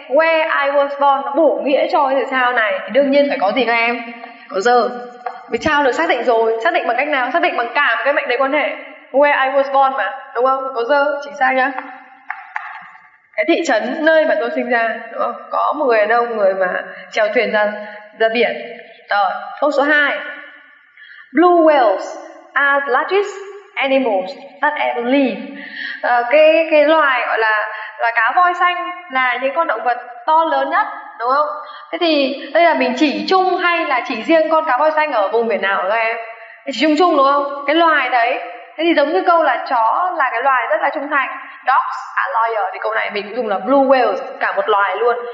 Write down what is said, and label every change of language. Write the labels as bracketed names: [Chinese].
[English] Where I was born [Vietnamese] nó bổ nghĩa cho cái từ town này thì đương nhiên phải có gì các em? Có giờ. Vì town được xác định rồi, xác định bằng cách nào? Xác định bằng cả một cái mệnh đề quan hệ. [English] Where I was born [Vietnamese] mà, đúng không? Có giờ, chính xác nhá. Cái thị trấn nơi mà tôi sinh ra, đúng không? Có một người đàn ông, người mà trèo thuyền ra biển. Rồi, câu số 2. [English] Blue whales are the largest animals that ever live. [Vietnamese] Cái loài gọi là loài cá voi xanh là những con động vật to lớn nhất, đúng không? Thế thì đây là mình chỉ chung hay là chỉ riêng con cá voi xanh ở vùng biển nào các em? Chỉ chung chung đúng không? Cái loài đấy. Thế thì giống như câu là chó là cái loài rất là trung thành, [English] dogs are loyal, [Vietnamese] thì câu này mình cũng dùng là blue whales, cả một loài luôn.